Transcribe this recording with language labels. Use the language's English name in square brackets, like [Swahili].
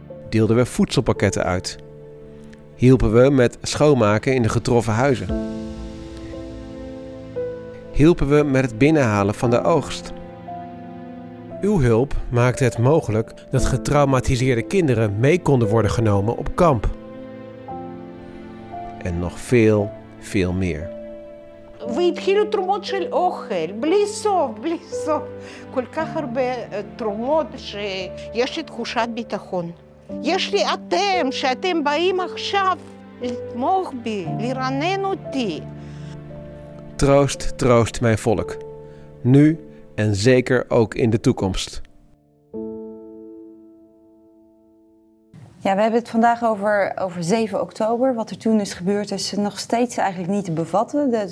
[Dutch] Deelden we voedselpakketten uit. Hielpen we met schoonmaken in de getroffen huizen. Hielpen we met het binnenhalen van de oogst. Uw hulp maakte het mogelijk dat getraumatiseerde kinderen mee konden worden genomen op kamp. En nog veel, veel meer. [Hebrew] We התחילו תרומות של אוכל, בלי סוף. כל כך הרבה תרומות שיש לי תחושת ביטחון. יש לי אתם שאתם באים עכשיו לתמוך בי, לרנן אותי. [Dutch] Troost, troost mijn volk. Nu en zeker ook in de toekomst. Ja, we hebben het vandaag over 7 oktober. Wat er toen is gebeurd is nog steeds eigenlijk niet te bevatten.